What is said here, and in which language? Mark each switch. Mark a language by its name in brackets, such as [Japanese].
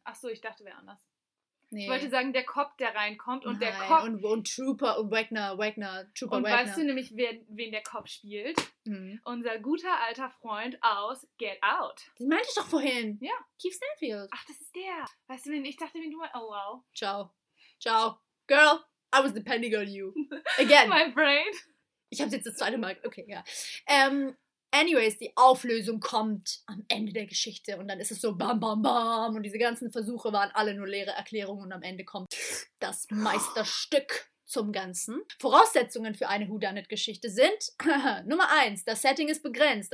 [German] Achso, ich dachte, wer anders. Nee. Ich wollte sagen, der Cop, der reinkommt und nein, der Cop... Und Trooper und Wagner, Trooper und Und weißt du nämlich, wen der Cop spielt? Unser guter alter Freund aus Get Out. Den meinte ich doch vorhin. Ja. Keith Stanfield. Ach, das ist der. Weißt du, wen ich dachte, wen du meinst? Oh, wow. [Italian] Ciao. Ciao. [English] Girl, I was depending on you. Again. My brain. [German] Ich hab's jetzt das zweite Mal. Okay, ja. Anyways, die Auflösung kommt am Ende der Geschichte und dann ist es so bam, bam, bam und diese ganzen Versuche waren alle nur leere Erklärungen und am Ende kommt das Meisterstück zum Ganzen. Voraussetzungen für eine Whodunit-Geschichte sind Nummer 1, das Setting ist begrenzt.